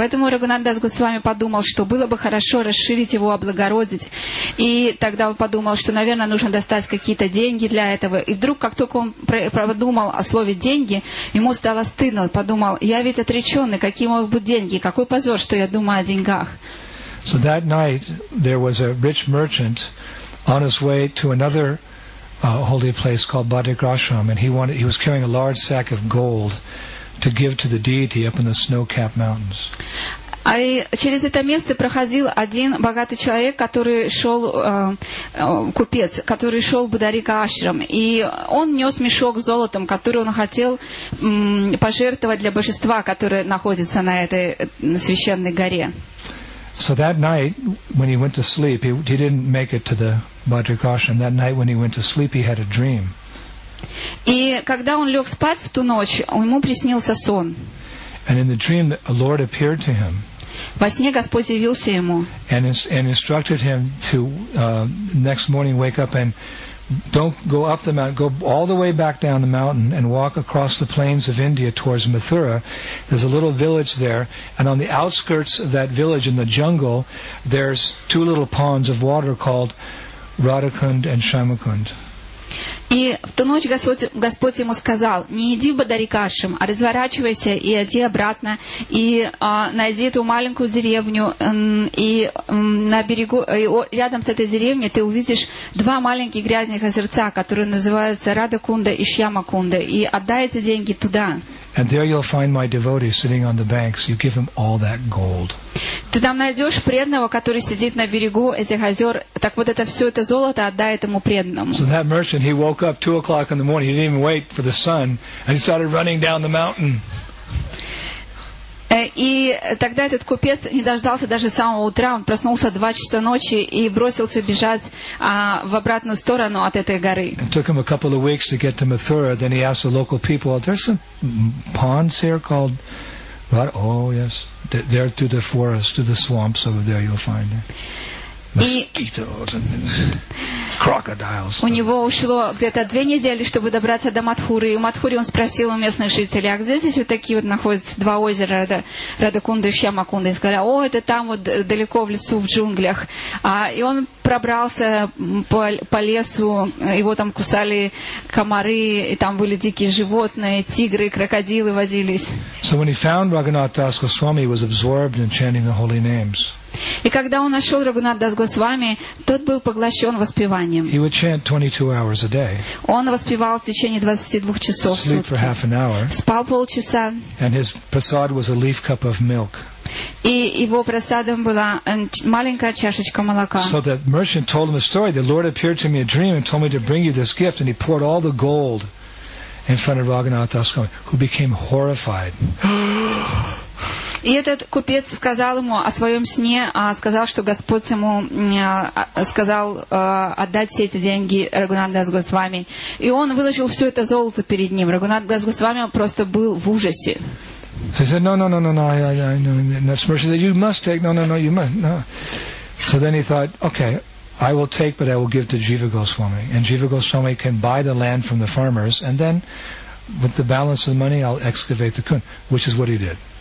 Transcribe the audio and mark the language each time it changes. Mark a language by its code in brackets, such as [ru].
[ru] Поэтому Рагунат Дас Госвами подумал, что было бы хорошо расширить его, облагородить. И тогда он подумал, что, наверное, нужно достать какие-то деньги для этого. И вдруг, как только он подумал о слове «деньги», ему стало стыдно. Он подумал, я ведь отреченный, какие могут быть деньги? Какой позор, что я думаю о деньгах? [en] So that night there was a rich merchant on his way to another holy place called Bhadrakashram, and he was carrying a large sack of gold to give to the deity up in the snow-capped mountains. [ru] А через это место проходил один богатый человек, который шел, купец, который шел в Бадарикашрам. И он нес мешок с золотом, который он хотел пожертвовать для божества, которое находится на этой священной горе. [en] So that night, when he went to sleep, he didn't make it to the Bhadrakashram. That night, when he went to sleep, he had a dream. [ru] И когда он лег спать в ту ночь, ему приснился сон. [en] And in the dream, a Lord appeared to him. [ru] Во сне Господь явился ему. [en] And instructed him to next morning wake up and don't go up the mountain, go all the way back down the mountain and walk across the plains of India towards Mathura. There's a little village there, and on the outskirts of that village in the jungle, there's two little ponds of water called Radhakund and Shyamakund. [ru] И в ту ночь Господь ему сказал, не иди в Бадарикашрам, а разворачивайся и иди обратно, и найди эту маленькую деревню, на берегу, рядом с этой деревней ты увидишь два маленьких грязных озерца, которые называются Радхакунда и Шьямакунда, и отдай эти деньги туда. [en] And there you'll find my devotee sitting on the banks. You give him all that gold. [ru] Ты там найдешь преданного, который сидит на берегу этих озер. Так вот это все это золото отдай этому преданному. [en] So that merchant, he woke up 2 o'clock in the morning. He didn't even wait for the sun, and he started running down the mountain. [ru] И тогда этот купец не дождался даже самого утра. Он проснулся 2 часа ночи и бросился бежать в обратную сторону от этой горы. [en] It took him a couple of weeks to get to Mathura. Then he asked the local people, "There's some ponds here called..." What? Oh, yes. They're through the forest, through the swamps over there, you'll find it. Mosquitoes and crocodiles. [ru] У него ушло где-то 2 недели, чтобы добраться до Матхуры. И в Матхуре он спросил у местных жителей, а где здесь вот такие вот находятся два озера, Радхакунда и Шьямакунда? И сказали, о, это там вот далеко в лесу, в джунглях. И он пробрался по лесу, его там кусали комары, и там были дикие животные, тигры, крокодилы водились. [en] So when he found Raghunath Das Goswami, he was absorbed in chanting the holy names. [ru] И когда он нашел Рагунат Дас Госвами, тот был поглощен воспеванием. [en] He would chant 22 hours a day. [ru] Он воспевал в течение 22 часов в сутки. [en] For half an hour. [ru] Спал полчаса. [en] And his prasad was a leaf cup of milk. [ru] И его просадом была маленькая чашечка молока. [en] So the merchant told him a story. The Lord appeared to me in a dream and told me to bring you this gift. And he poured all the gold in front of Raghunath Das Goswami, who became horrified. [ru] И этот купец сказал ему о своем сне, сказал, что Господь ему сказал отдать все эти деньги Рагунат Дас Госвами. И он выложил все это золото перед ним. Рагунат Дас Госвами просто был в ужасе. [en] So he said, no, that's mercy. He said, you must take, no. So then he thought, okay, I will take, but I will give to Jiva Goswami. And Jiva Goswami can buy the land from the farmers, and then with the balance of the money, I'll excavate the kund, which is what he did.